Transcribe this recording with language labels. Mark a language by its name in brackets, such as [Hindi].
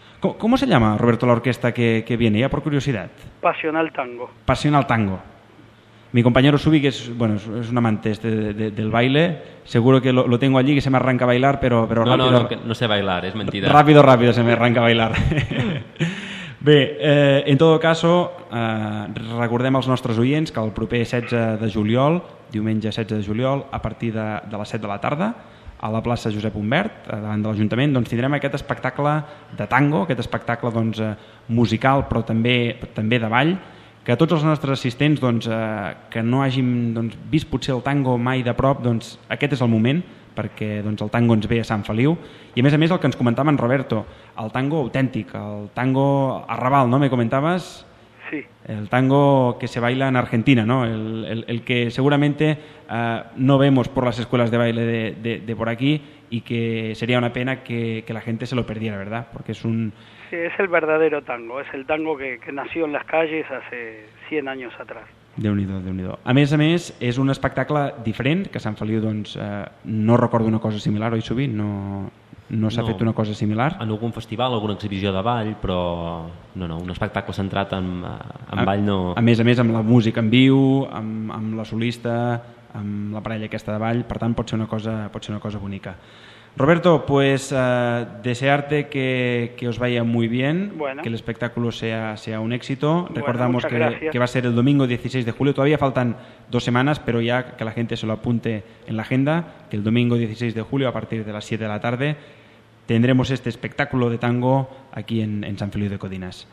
[Spanish] ¿Cómo se llama, Roberto, la orquesta que viene? Ya por curiosidad. Pasional Tango. Pasional Tango. Mi compañero Subi, que es un amante del baile, seguro que lo tengo allí, que se me arranca a bailar, pero no, rápido. No, no sé bailar, es mentira. Rápido se me arranca a bailar. [Catalan] Bé, [Spanish] en todo caso, [Catalan] recordem als nostres oients que el proper 16 de juliol, diumenge 16 de juliol, a partir de les 7 de la tarda, a la plaça Josep Humbert, davant de l'Ajuntament, doncs tindrem aquest espectacle de tango, aquest espectacle doncs, musical, però també de ball, que tots els nostres assistents doncs, que no hàgim doncs, vist potser el tango mai de prop, doncs, aquest és el moment, perquè doncs, el tango ens ve a Sant Feliu. I a més, el que ens comentava en Roberto, el tango autèntic, el tango arrabal, no me comentaves? [Spanish] Sí. El tango que se baila en Argentina, ¿no? El que seguramente no vemos por las escuelas de baile de por aquí y que sería una pena que la gente se lo perdiera, ¿verdad? Porque es un... Sí, es el verdadero tango, es el tango que nació en las calles hace 100 años atrás. [Catalan] Déu-n'hi-do. A més, és un espectacle diferent, que Sant Feliu, doncs, no recordo una cosa similar, oi, sovint? No, No s'ha fet una cosa similar? En algun festival, alguna exhibició de ball, però no, no, un espectacle centrat en ball no... A més, amb la música en viu, amb la solista, amb la parella aquesta de ball, per tant, pot ser una cosa bonica. [Spanish] Roberto, pues desearte que os vaya muy bien, bueno, que el espectáculo sea un éxito. Bueno, recordamos que va a ser el domingo 16 de julio, todavía faltan dos semanas, pero ya que la gente se lo apunte en la agenda, que el domingo 16 de julio a partir de las 7 de la tarde tendremos este espectáculo de tango aquí en San Feliu de Codines.